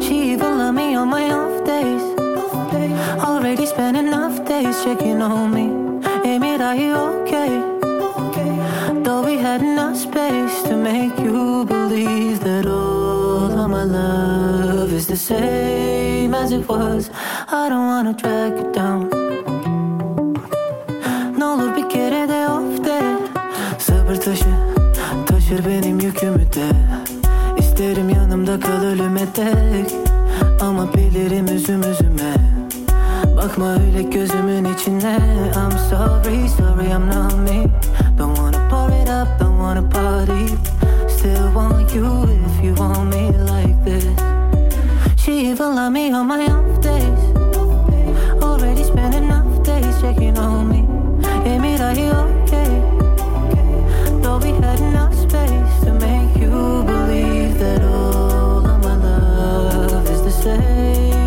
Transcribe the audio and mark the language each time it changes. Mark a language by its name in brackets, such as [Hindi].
[English] She even loved me on my off days. Already spent enough days checking on me. Amy, are you okay? Though we had enough space to make you believe that all of my love is the same as it was. I don't wanna drag it down. [Turkish] Ne olur bir kere de off de. Sabır taşı, taşır benim yükümü de. İsterim yanımda kal ölüme tek. Ama bilirim üzüm üzüme. Bakma öyle gözümün içine. [English] I'm sorry, sorry I'm not me. Don't wanna pour it up, don't wanna party. Still want you if you want me like this. She even loved me on my off days. Already spent enough days checking on me. Amy, are you okay? Though we had enough space to make you believe that all of my love is the same.